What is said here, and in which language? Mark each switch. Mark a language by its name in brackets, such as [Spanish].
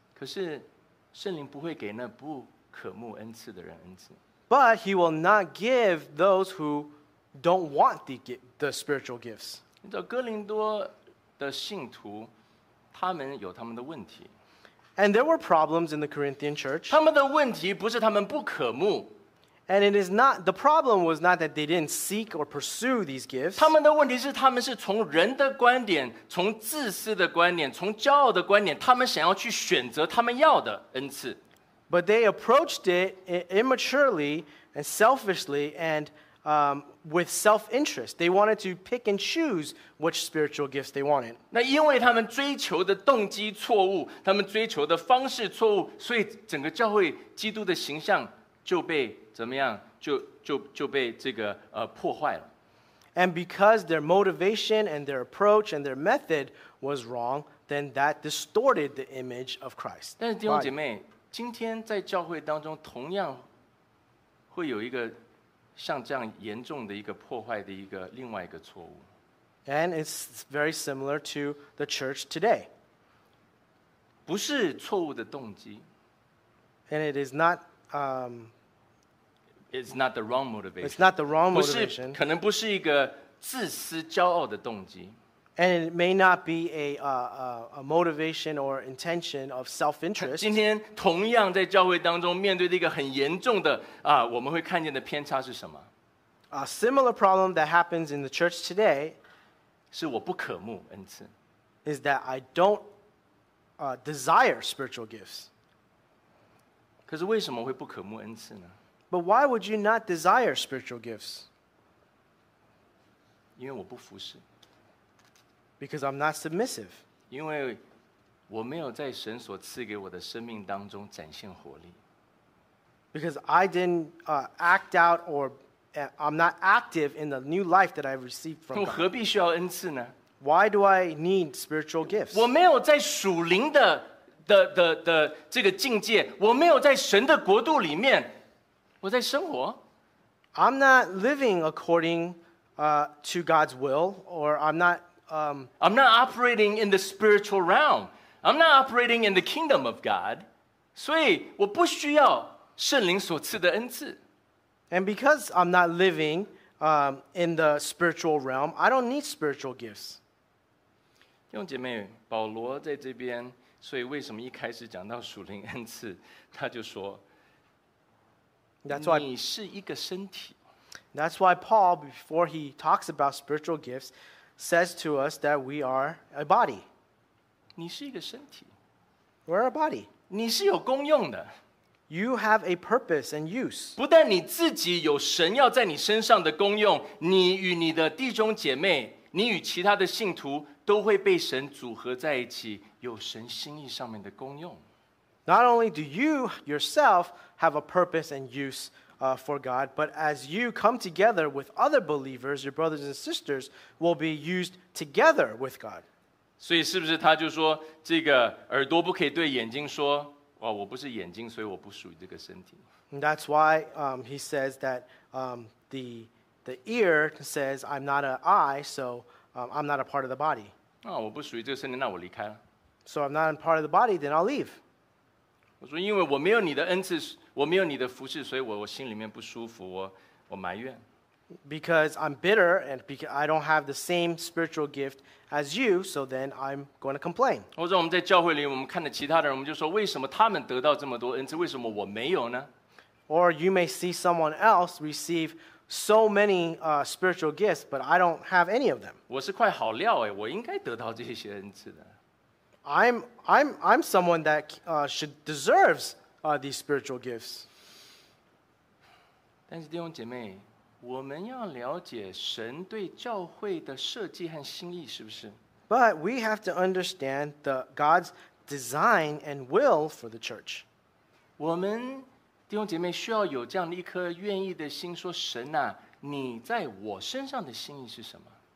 [Chinese] 可是圣灵不会给那不渴慕恩赐的人恩赐。 [English] But he will not give those who don't want the spiritual gifts. [Chinese] 你知道哥林多的信徒，他们有他们的问题。 [English] And there were problems in the Corinthian church. [Chinese] 他们的问题不是他们不渴慕。 [English] And it is not, the problem was not that they didn't seek or pursue these gifts. [Chinese] 他们的问题是他们是从人的观点，从自私的观点，从骄傲的观点，他们想要去选择他们要的恩赐。 [English] But they approached it immaturely and selfishly and with self-interest. They wanted to pick and choose which spiritual gifts they wanted. [Chinese] 那因为他们追求的动机错误，他们追求的方式错误，所以整个教会基督的形象就被怎么样？就被这个破坏了。 [English] And because their motivation and their approach and their method was wrong, then that distorted the image of Christ. [Chinese] 但是弟兄姐妹，今天在教会当中同样会有一个像这样严重的一个破坏的一个另外一个错误。 [English] And it's very similar to the church today. [Chinese] 不是错误的动机。 [English] And it is not, It's not the wrong motivation. It's not the wrong motivation. [Chinese] 可能不是一个自私骄傲的动机。 [English] And it may not be a motivation or intention of self-interest. [Chinese] 今天同样在教会当中面对的一个很严重的我们会看见的偏差是什么？ [English] A similar problem that happens in the church today [Chinese] 是我不渴慕恩赐。 [English] Is that I don't desire spiritual gifts. [Chinese] 可是为什么会不渴慕恩赐呢？ [English] But why would you not desire spiritual gifts? [Chinese] 因为我不服侍。 [English] Because I'm not submissive. [Chinese] 因为我没有在神所赐给我的生命当中展现活力。 [English] Because I didn't act out or I'm not active in the new life that I've received from God. [Chinese] 何必需要恩赐呢？ [English] Why do I need spiritual gifts? [Chinese] 我没有在属灵的这个境界，我没有在神的国度里面，我在生活。 [English] I'm not living according to God's will, or I'm not operating in the spiritual realm. I'm not operating in the kingdom of God. [Chinese] 所以我不需要圣灵所赐的恩赐。 [English] And because I'm not living in the spiritual realm, I don't need spiritual gifts. [Chinese] 弟兄姐妹，保罗在这边，所以为什么一开始讲到属灵恩赐，他就说， [English] That's why, [Chinese] 你是一个身体。 [English] That's why Paul, before he talks about spiritual gifts,says to us that we are a body. [Chinese] 你是一个身体。 [English] We're a body. [Chinese] 你是有功用的。 [English] You have a purpose and use. [Chinese] 不但你自己有神要在你身上的功用，你与你的弟兄姐妹，你与其他的信徒都会被神组合在一起，有神心意上面的功用。 [English] Not only do you yourself have a purpose and use for God, but as you come together with other believers, your brothers and sisters will be used together with God. [Chinese] 所以是不是他就说这个耳朵不可以对眼睛说，哇，我不是眼睛，所以我不属于这个身体。 [English] That's why he says that the ear says, I'm not an eye, so I'm not a part of the body. [Chinese] 啊，我不属于这个身体，那我离开了。 [English] So I'm not a part of the body, then I'll leave. [Chinese] 我说因为我没有你的恩赐，我没有你的服侍，所以 我心里面不舒服， 我埋怨。 [English] Because I'm bitter and because I don't have the same spiritual gift as you, so then I'm going to complain. [Chinese] 或者我们在教会里，我们看着其他的人，我们就说，为什么他们得到这么多恩赐，为什么我没有呢？ [English] Or you may see someone else receive so many spiritual gifts, but I don't have any of them. [Chinese] 我是块好料耶，我应该得到这些恩赐的。 [English] I'm someone that deserves these spiritual gifts. [Chinese] 但是弟兄姐妹，我们要了解神对教会的设计和心意，是不是？ [English] But we have to understand the God's design and will for the church. [Chinese] 我们弟兄姐妹需要有这样的一颗愿意的心，说神啊，你在我身上的心意是什么？